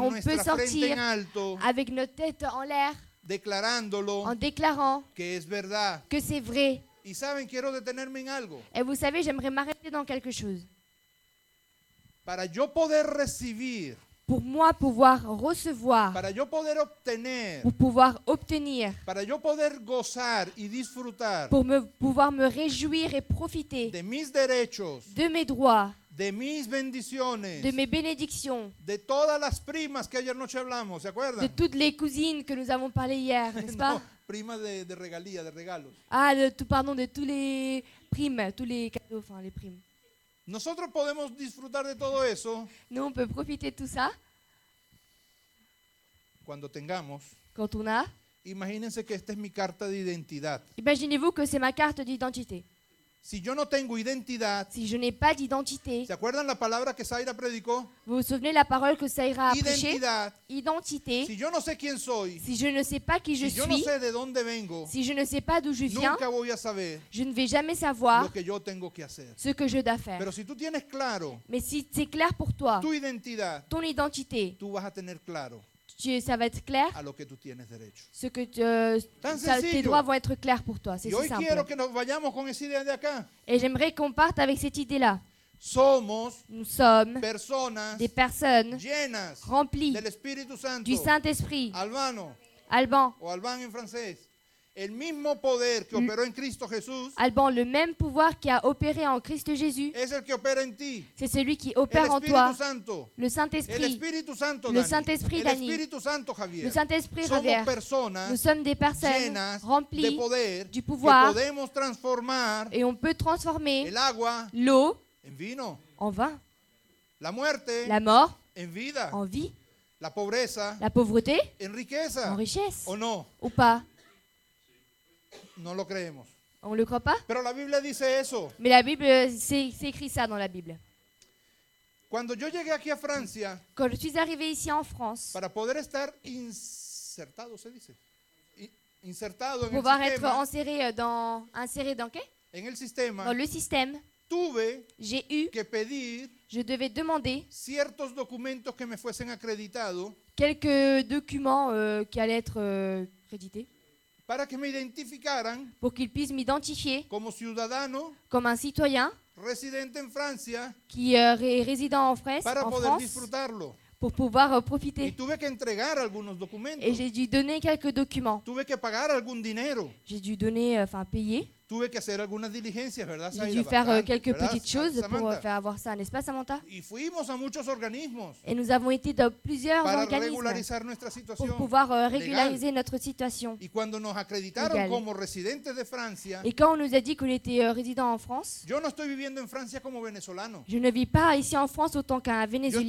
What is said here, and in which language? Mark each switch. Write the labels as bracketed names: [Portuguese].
[Spanish] con nuestra frente en alto. [French] Avec notre tête en l'air. [Spanish] Declarándolo. [French] En déclarant. [Spanish] Que es verdad. [French] Que c'est vrai. [Spanish] Y saben, quiero detenerme en algo. [French] Et vous savez, j'aimerais m'arrêter dans quelque chose. [Spanish] Para yo poder recibir, [French] pour moi pouvoir recevoir, [Spanish] para yo poder obtener, [French] pour pouvoir obtenir, [Spanish] para yo poder gozar y disfrutar, [French] pour pouvoir me réjouir et profiter, [Spanish] de mis derechos, [French] de mes droits, [Spanish] de mis bendiciones, [French] de mes bénédictions, [Spanish] de todas las primas que ayer noche hablamos, ¿se acuerdan? [French] De toutes les cousines que nous avons parlé hier, n'est-ce pas? [Spanish] Prima de regalía, de regalos. [French] Ah, de tous les primes, tous les cadeaux, enfin les primes. [Spanish] Nosotros podemos disfrutar de todo eso. [French] Nous on peut profiter de tout ça. [Spanish] Cuando tengamos. [French] Quand on a. [Spanish] Imagínense que esta es mi carta de identidad. [French] Imaginez-vous que c'est ma carte d'identité. [Spanish] Si yo no tengo identidad. [French] Si je n'ai pas d'identité. [Spanish] ¿Se acuerdan la palabra que Zaira predicó? [French] Vous vous souvenez la parole que Zaira a prêché? [Spanish] Identidad. [French] Identité. [Spanish] Si yo no sé quién soy. [French] Si je ne sais pas qui je suis. [Spanish] Si yo no sé de dónde vengo. [French] Si je ne sais pas d'où je viens. [Spanish] Nunca voy a saber. [French] Je ne vais jamais savoir. [Spanish] Lo que yo tengo que hacer. [French] Ce que je dois faire. [Spanish] Pero si tú tienes claro. [French] Mais si c'est clair pour toi. [Spanish] Tu identidad. [French] Ton identité. [Spanish] Tú vas a tener claro. [French] Ça va être clair. [Spanish] A lo que tú tienes derecho. [French] Ce que tes droits vont être clairs pour toi. C'est [Spanish] y hoy [French] simple. [Spanish] Quiero que nos vayamos con esa idea de acá. [French] Et j'aimerais qu'on parte avec cette idée-là. [Spanish] Somos. [French] Nous sommes. [Spanish] Personas. [French] Des personnes. [Spanish] Llenas. [French] Remplies. [Spanish] Del Espíritu Santo. [French] Du Saint-Esprit. [Spanish] Albano. [French] Alban. [Spanish] O Alban en francés. El mismo poder que operó en Cristo Jesús. [French] Alban, le même pouvoir qui a opéré en Christ Jésus. [Spanish] Es el que opera en ti. [French] C'est celui qui opère en toi. [Spanish] El Espíritu Santo. [French] Le Saint-Esprit. [Spanish] El Espíritu Santo. [French] Le Saint-Esprit, Dani. [Spanish] El Espíritu Santo, Javier. [French] Le Saint-Esprit, [Spanish] somos Javier. Somos personas. [French] Nous sommes des personnes remplies [Spanish] de poder. [French] Du pouvoir. [Spanish] Que podemos transformar. [French] Et on peut transformer. [Spanish] El agua. [French] L'eau. [Spanish] En vino. [French] En vin. [Spanish] La muerte. [French] La mort. [Spanish] En vida. [French] En vie. [Spanish] La pobreza. [French] La pauvreté. [Spanish] En riqueza. [French] En richesse. [Spanish] O no. [French] Ou pas. [Spanish] No lo creemos. [French] On le croit pas? [Spanish] Pero la Biblia dice eso. [French] Mais la Bible, c'est écrit ça dans la Bible. [Spanish] Cuando yo llegué aquí a Francia. [French] Quand je suis arrivé ici en France. [Spanish] Para poder estar insertado, se dice. Insertado en el sistema. [French] Pouvoir être inséré dans qué? [Spanish] En el sistema. [French] Dans le système. [Spanish] Tuve. [French] J'ai eu. [Spanish] Que pedir. [French] Je devais demander. [Spanish] Ciertos documentos que me fuesen acreditado. [French] Quelques documents qui allaient être crédités. [Spanish] Para que me identificaran, [French] pour qu'ils puissent m'identifier [Spanish] como ciudadano, [French] comme un citoyen [Spanish] residente en Francia, [French] qui est résident en France, [Spanish] para [French] en [Spanish] poder [French] France [Spanish] disfrutarlo. [French] Pour pouvoir profiter. [Spanish] Y tuve que entregar algunos documentos. [French] Et j'ai dû donner quelques documents. [Spanish] Tuve que pagar algún dinero. [French] J'ai dû donner, enfin payer. [Spanish] Tuve que hacer algunas diligencias, ¿verdad? [French] J'ai dû faire quelques petites choses pour faire avoir ça, n'est-ce pas, Samantha? [Spanish] Y fuimos a muchos organismos. [French] Et nous avons été dans plusieurs organismes. [Spanish] Para regularizar nuestra situación. [French] Pour pouvoir régulariser notre situation. [Spanish] Y cuando nos acreditaron [French] légale. [Spanish] Como residentes de Francia. [French] Et quand on nous a dit qu'on était résident en France. [Spanish] Yo no estoy viviendo en Francia como venezolano. [French] Je ne vis pas ici en France autant qu'un Vénézuélien.